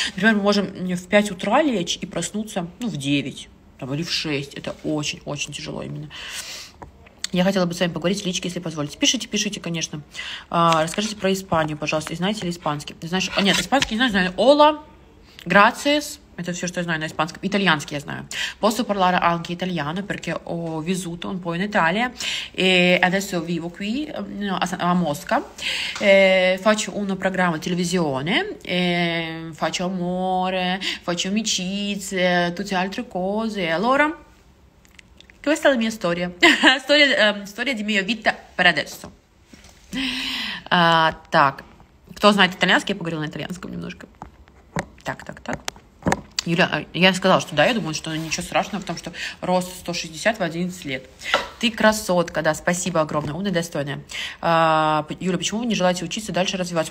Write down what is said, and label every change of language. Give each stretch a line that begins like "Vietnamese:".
Russian: Например, мы можем в 5 утра лечь и проснуться, ну, в 9 там, или в 6. Это очень-очень тяжело именно. Я хотела бы с вами поговорить в личке, если позволите. Пишите, конечно. Расскажите про Испанию, пожалуйста. И знаете ли испанский? Знаешь, нет, испанский не знаю, знаю.
Spanish: Ола, грациес.
Russian: Это все, что я знаю на испанском. Итальянский я знаю.
Italian: Posso parlare anche italiano, perché ho vissuto un po' in Italia. E adesso vivo qui, a Mosca. E faccio un programma televisione. E faccio amore, faccio amicizie, tutte altre cose. Allora, questa è la mia storia. Storia di mia vita per adesso.
Russian: Так, кто знает итальянский, я поговорила на итальянском немножко. Так. Юля, я сказала, что да, я думаю, что ничего страшного в том, что рост 160 в 11 лет. Ты красотка, да, спасибо огромное, умная, достойная. Юля, почему вы не желаете учиться дальше развиваться?